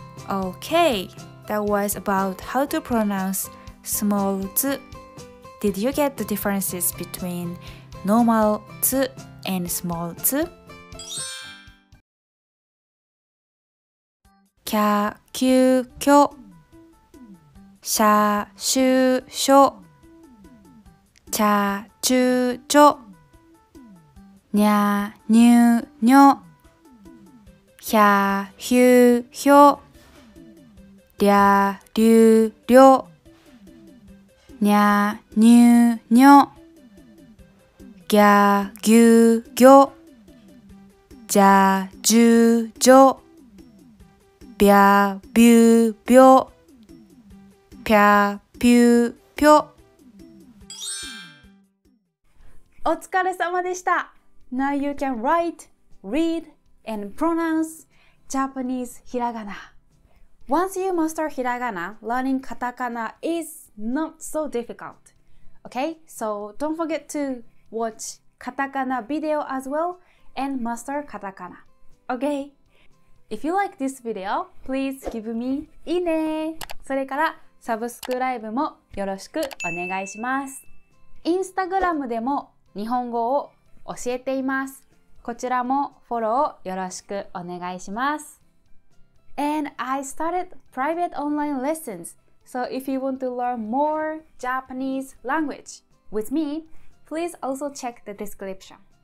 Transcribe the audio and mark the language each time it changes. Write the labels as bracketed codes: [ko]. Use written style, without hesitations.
[en] Okay, that was about how to pronounce small つ. Did you get the differences between normal つ and small つ? [ja] キャキュキョ シャシュショ チャチュチョにゃにゅにょひゃひゅひょりゃりゅりょにゃにゅにょぎゃぎゅぎょじゃじゅじょびゃびゅびょぴゃぴゅぴょ。お疲れ様でした。 [en] Now you can write, read, and pronounce Japanese hiragana. Once you master hiragana, learning katakana is not so difficult. Okay, so don't forget to watch katakana video as well and master katakana. Okay, if you like this video, please give me いいね。 [ja] それからサブスクライブもよろしくお願いします。 Instagramでも日本語を教えています。こちらもフォローよろしくお願いします。 [en] And I started private online lessons. So if you want to learn more Japanese language with me, please also check the description.